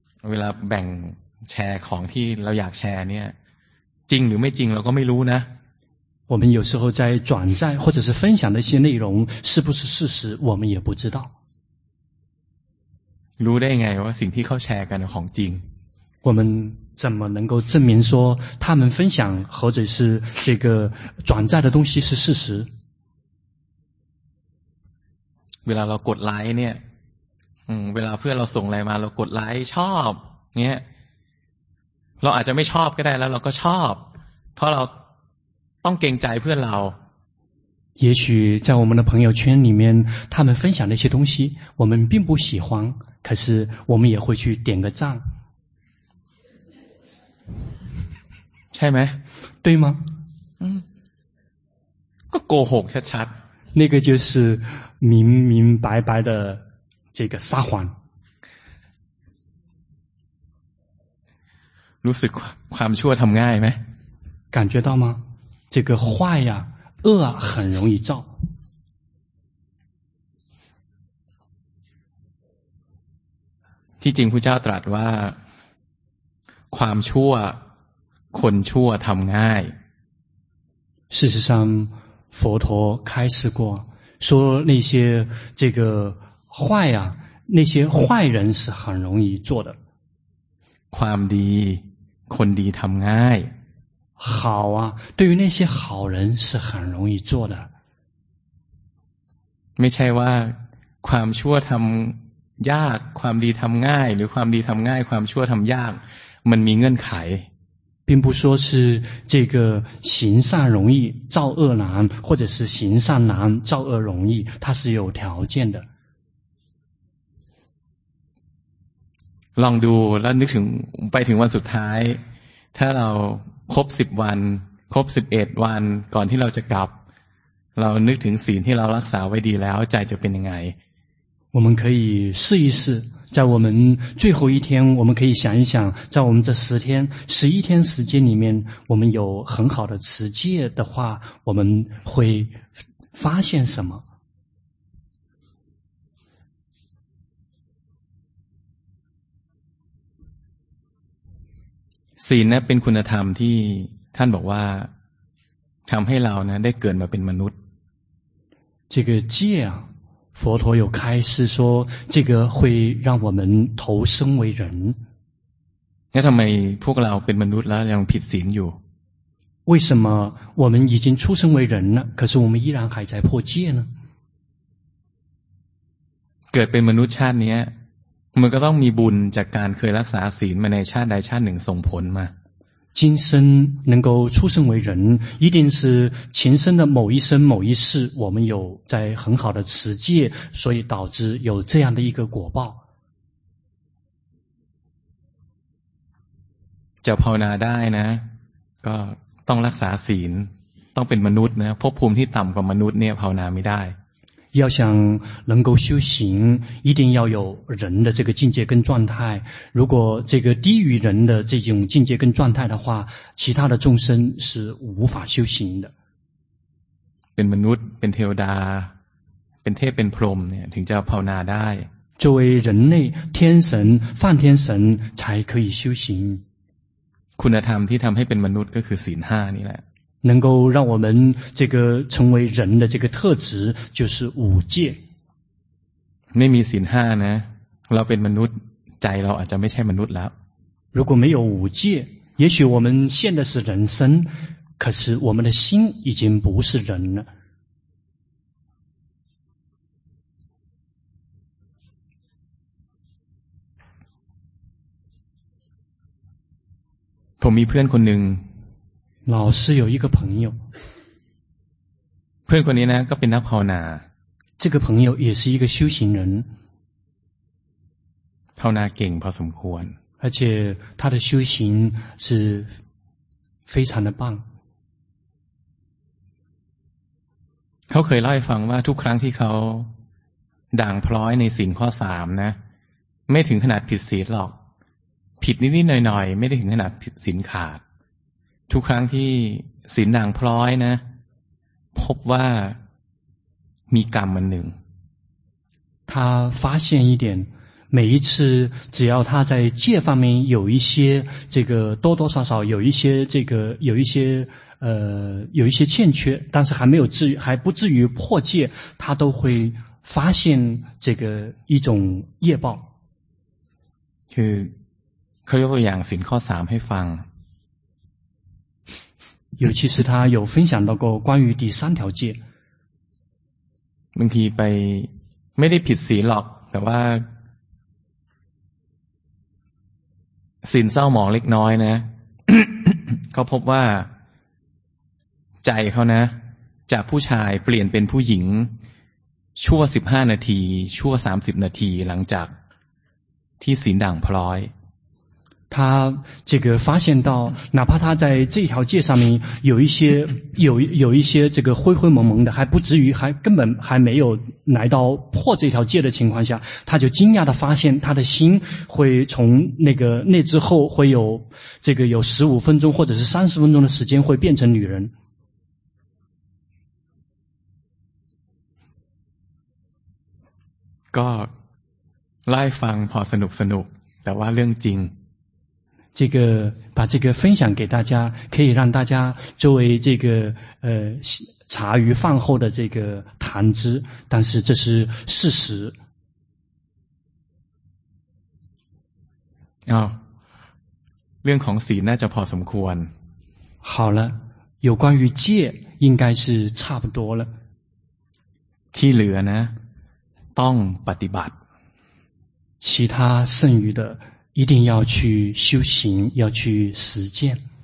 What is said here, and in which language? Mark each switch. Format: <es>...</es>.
<th>เวลาแบ่งแชร์ของที่เราอยากแชร์เนี่ยจริงหรือไม่จริงเราก็ไม่รู้นะ</th> <zh>我们有时候在转载或者是分享的一些内容是不是事实我们也不知道</zh> <th>รู้ได้ไงว่าสิ่งที่เขาแชร์กันของจริง</th> <zh>我们怎么能够证明说他们分享或者是这个转载的东西是事实</zh> <th>เวลาเรากดไลค์เนี่ยเวลาเพื่อนเราส่งอะไรมาเรากดไลค์ชอบเงี้ยเราอาจจะไม่ชอบก็ได้แล้วเราก็ชอบเพราะเราต้องเกรงใจเพื่อนเรา</th> <zh>也许在我们的朋友圈里面他们分享那些东西我们并不喜欢可是我们也会去点个赞</zh> <th>ใช่ไหม</th> <zh>对吗</zh> <th>ก็โกหกชัด</th> <zh>ๆ那个就是明明白白的这个撒谎</zh> <th>รู้สึกความชั่วทำง่ายไหม</th> <zh>感觉到吗这个坏呀恶很容易造</zh> <th>ที่จริงพุทธเจ้าตรัสว่าความชั่วคนชั่วทำง่าย</th> <zh>事实上佛陀开示过说那些这个坏啊那些坏人是很容易做的</zh> <th>ความดีคนดีทำง่าย</th> <zh>好啊对于那些好人是很容易做的</zh> <th>ไม่ใช่ว่าความชั่วทำยากความดีทำง่ายหรือความดีทำง่ายความชั่วทำยากมันมีเงื่อนไข</th> <zh>并不说是这个行善容易造恶难或者是行善难造恶容易它是有条件的</zh> <th>ลองดูแล้วนึกถึงไปถึงวันสุดท้ายถ้าเราครบ10วันครบ11วันก่อนที่เราจะกลับ เรานึกถึงศีลที่เรารักษาไว้ดีแล้วใจจะเป็นยังไง</th> <zh>我们可以试一试在我们最后一天我们可以想一想在我们这十天十一天时间里面我们有很好的持戒的话我们会发现什么</zh> <th>ศีลเนี่ยเป็นคุณธรรมที่ท่านบอกว่าทำให้เรานะได้เกิดมาเป็นมนุษย์</th> <zh>这个戒啊佛陀有开示说这个会让我们投生为人</zh> <th>那ทำไมพวกเราเป็นมนุษย์แล้วยังผิดศีลอยู่</th> <zh>为什么我们已经出生为人了可是我们依然还在破戒呢</zh> <th>เกิดเป็นมนุษย์ชาตินี้มันก็ต้องมีบุญจากการเคยรักษาศีลมาในชาติใดชาติหนึ่งส่งผลมา</th> <zh>今生能够出生为人一定是前生的某一生某一世我们有在很好的持戒所以导致有这样的一个果报</zh> <th>จะภาวนาได้นะก็ต้องรักษาศีลต้องเป็นมนุษย์นะภพภูมิที่ต่ำกว่ามนุษย์เนี่ยภาวนาไม่ได้</th> <zh>要想能够修行一定要有人的这个境界跟状态如果这个低于人的这种境界跟状态的话其他的众生是无法修行的</zh> <th>เป็นมนุษย์เป็นเทวดาเป็นเทพเป็นพรหมเนี่ยถึงจะภาวนาได้</th> <zh>作为人类天神梵天神才可以修行</zh> <th>คุณธรรมที่ทำให้เป็นมนุษย์ก็คือศีล5นี่แหละ</th> <zh>能够让我们这个成为人的这个特质就是五戒</zh> <th>ไม่มีศีล5นะเราเป็นมนุษย์ใจเราอาจจะไม่ใช่มนุษย์แล้ว</th> <zh>如果没有五戒也许我们现的是人生可是我们的心已经不是人了</zh> <th>ผมมีเพื่อนคนหนึ่ง</th> <zh>老师有一个朋友</zh> <th>เพื่อนคนนี้นะก็เป็นนักภาวนา</th> <zh>这个朋友也是一个修行人</zh> <th>ภาวนาเก่งพอสมควร</th> <zh>而且他的修行是非常的棒</zh> <th>เขาเคยเล่าให้ฟังว่าทุกครั้งที่เขาด่างพร้อยในศีลข้อ3นะไม่ถึงขนาดผิดศีลหรอกผิดนิดๆหน่อยๆไม่ได้ถึงขนาดผิดศีลขาดทุกครั้งที่ศีลด่างพร้อยนะพบว่ามีกรรมอันหนึ่ง</th> <zh>他发现一点每一次只要他在戒方面有一些这个多多少少有一些这个有一些有一些欠缺但是还没有至于还不至于破戒他都会发现这个一种业报</zh> <th>คือเขายกตัวอย่างศีลข้อ3ให้ฟัง</th> <zh>尤其是他有分享到过关于第三条戒</zh> <th>บางทีไปไม่ได้ผิดศีลหรอกแต่ว่าศีลเศร้าหมองเล็กน้อยนะ เขาพบว่าใจเขานะจากผู้ชายเปลี่ยนเป็นผู้หญิงชั่ว15นาทีชั่ว30นาทีหลังจากที่ศีลด่างพร้อย</th> <zh>他这个发现到哪怕他在这条戒上面有一些有一些这个灰灰蒙蒙的还不至于还根本还没有来到破这条戒的情况下他就惊讶地发现他的心会从那个那之后会有这个有15分钟或者是30分钟的时间会变成女人</zh> <th>ก็ไล่ฟังพอสนุกสนุกแต่ว่าเรื่องจริง</th> <zh>这个把这个分享给大家可以让大家作为这个茶余饭后的这个谈资但是这是事实</zh> <th>啊、哦、เรื่องของศีลน่าจะพอสมควร</th> <zh>好了有关于戒应该是差不多了</zh> <th>ที่เหลือนะต้องปฏิบัติ</th> <zh>其他剩余的一定要去修行要去实践</zh>